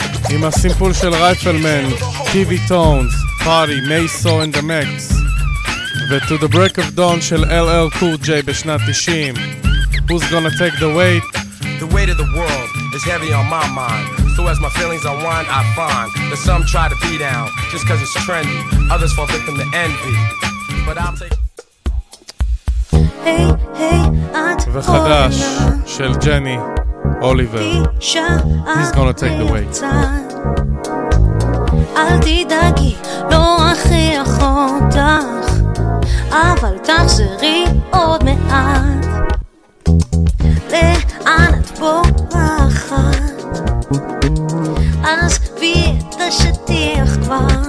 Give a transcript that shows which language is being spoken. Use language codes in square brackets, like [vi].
[he] עם הסימפול של רייפלמן, טיווי טונס, פארטי, מייסו אנד דה מקס ו-To the Break of Dawn של LL Cool J בשנת 90. [en] Who's gonna take the weight? The weight of the world is heavy on my mind, so as my feelings unwind, I find that some try to be down just cause it's trendy, others fall victim to envy, but I'll take... Hey, hey, Aunt [he] וחדש Orna. [en] של ג'ני אוליבר, he's gonna take the weight. [he] אל תדאגי, לא הכי אחותך, אבל תחזרי עוד מעט. לאן את בורחת? עזבי את השטיח כבר.